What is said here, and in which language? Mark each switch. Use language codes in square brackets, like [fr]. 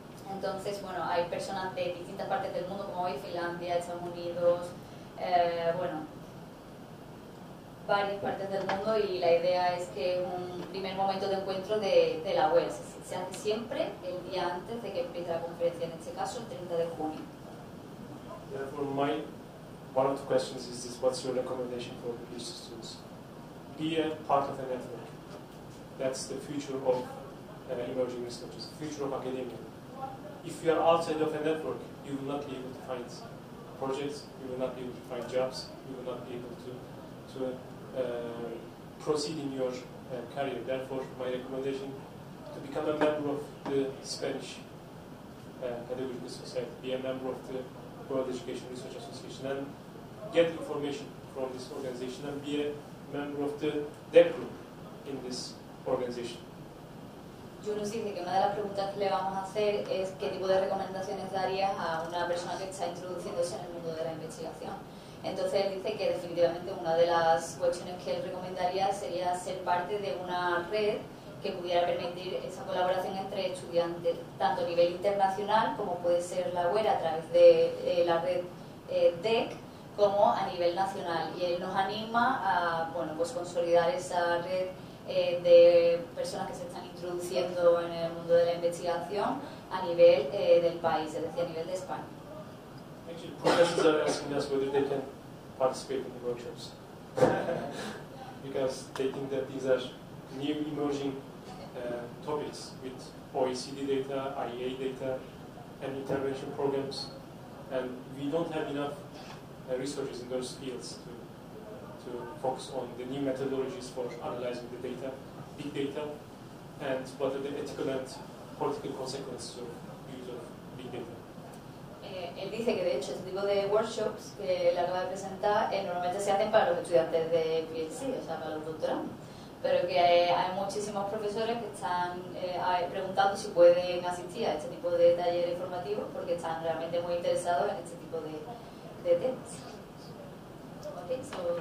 [es] Entonces, bueno, hay personas de distintas partes del mundo, como hoy Finlandia, Estados Unidos, bueno, varias partes del mundo, y la idea es que es un primer momento de encuentro de la web. Se hace siempre el día antes de que empiece la conferencia, en este caso, el 30 de junio. [en] Therefore, my one of the questions is this: what's your recommendation for PhD students? Be a part of a network. That's the future of emerging research, the future of academia. If you are outside of a network, you will not be able to find projects, you will not be able to find jobs, you will not be able to proceed in your career. Therefore, my recommendation to become a member of the Spanish Pedagogical Society, be a member of the World Education Research Association, and get information from this organization, and be a member of the DEC group in this organization. [es] Yunus dice que una de las preguntas que le vamos a hacer es qué tipo de recomendaciones darías a una persona que está introduciéndose en el mundo de la investigación. Entonces él dice que definitivamente una de las cuestiones que él recomendaría sería ser parte de una red que pudiera permitir esa colaboración entre estudiantes, tanto a nivel internacional, como puede ser la UER a través de la red DEC, como a nivel nacional. Y él nos anima a, bueno, pues consolidar esa red de personas que se están introduciendo en el mundo de la investigación a nivel del país, es decir, a nivel de España. [en] Actually, professors are asking us whether they can participate in the workshops because they think that these are new emerging topics with OECD data, IEA data, and intervention programs, and we don't have enough researchers in those fields to focus on the new methodologies for analyzing the data, big data, and what are the ethical and political consequences of use of big data. [es] Él dice que, de hecho, este tipo de workshops que él acaba de presentar normalmente se hacen para los estudiantes de PhD, o sea, para los doctorandos, pero que hay muchísimos profesores que están preguntando si pueden asistir a este tipo de talleres formativos porque están realmente muy interesados en este tipo de temas.